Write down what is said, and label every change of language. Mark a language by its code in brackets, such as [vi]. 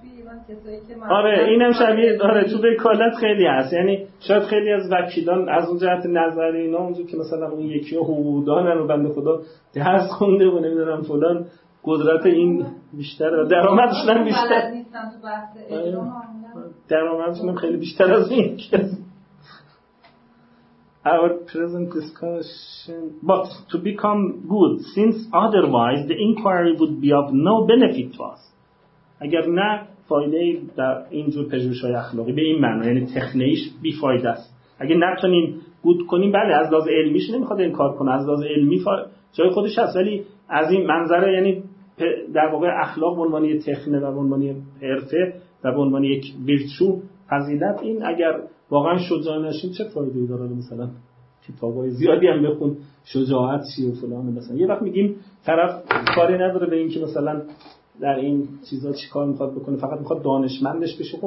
[fa] توی ایران، کسایی که آره اینم شبیه آره تو وکالت خیلی هست، یعنی شاید خیلی از وکیلان از اون جهت نظری اینا اونجور که مثلا اون یکی حقوقدانن و بنده خدا درس خونده و نمیدونم فلان، قدرت این بیشتر درآمدشون هم بیشتر نیستن تو بحث اجرا، درآمدشون هم خیلی بیشتر از این کس. [en] our present discussion, but to become good, since otherwise the inquiry would be of no benefit to us. [fa] اگر نه فایده در اینجور پژوهش‌های اخلاقی به این معنی، یعنی تکنیش بی فایده است. اگر نتونیم گود کنیم، بله از لحاظ علمیش نمیخواد این کار کنه، از لحاظ علمی جای خودش هست، ولی از این منظر یعنی در واقع اخلاق به عنوان یک تکنه و به عنوان یک حرفه و به عنوان یک ویرچو فضیلت، این اگر واقعا شجاع نشین چه فایده‌ای داره؟ مثلا کتابای زیادی هم بخون شجاعت چیه و فلان، مثلا یه وقت میگیم طرف کاری نداره به اینکه مثلا در این چیزا چی کار میخواد بکنه، فقط میخواد دانشمندش بشه.